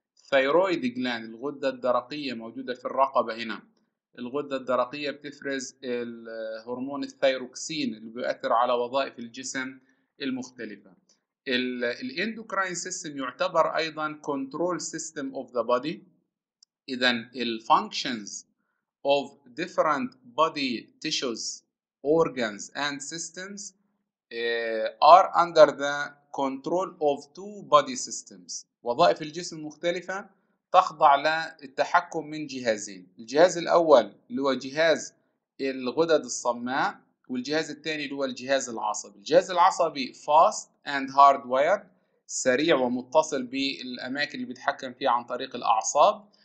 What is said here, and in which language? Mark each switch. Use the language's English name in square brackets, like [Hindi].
[Arabic] ثيرويد جلاند، الغدة الدرقية موجودة في الرقبة هنا، الغدة الدرقية بتفرز هرمون الثيروكسين اللي بيؤثر على وظائف الجسم المختلفة. الاندوكراين سيستم يعتبر أيضا كنترول سيستم of the body. [English] إذا الـ functions of different body tissues, organs and systems are under the control of two body systems. [Arabic] وظائف الجسم المختلفة تخضع للتحكم من جهازين. الجهاز الأول اللي هو جهاز الغدد الصماء، والجهاز الثاني اللي هو الجهاز العصبي. الجهاز العصبي [English] fast and hardwired، [Arabic] سريع ومتصل بالأماكن اللي بيتحكم فيها عن طريق الأعصاب.